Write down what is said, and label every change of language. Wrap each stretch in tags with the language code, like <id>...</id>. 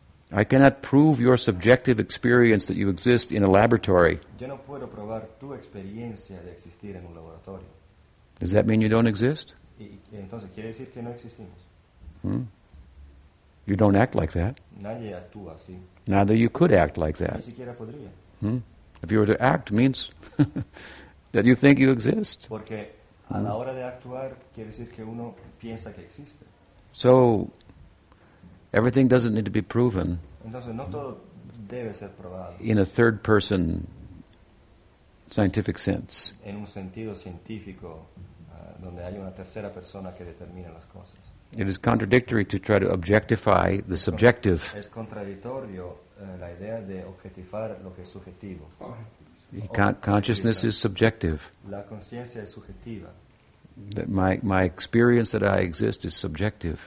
<en>I cannot prove your subjective experience that you exist in a laboratory.</en> <es>Yo no puedo probar tu experiencia de existir en un laboratorio.</es> <en>Does that mean you don't exist?</en> <es>Y entonces, ¿quiere decir que no existimos?</es> <en>Hmm? You don't act like that.</en> <es>Nadie actúa así.</es> <en>Neither you could act like that.</en> <es>Ni siquiera podría. Hmm?</es> <en>If you were to act, means that you think you exist.</en> <es>Porque a la hora de actuar, quiere decir que uno piensa que existe.</es> <en>So, everything doesn't need to be proven.</en> <es>Entonces, no todo debe ser probado.</es> <en>In a third person scientific sense.</en> <es>En un sentido científico, donde hay una tercera persona que determina las cosas.</es> <en>It is contradictory to try to objectify the subjective.</en> <es>Es contradictorio la idea de objetivar lo que es subjetivo.</es> <en>Consciousness is subjective.</en> <es>La conciencia es subjetiva.</es> <en>That my experience that I exist is subjective.</en>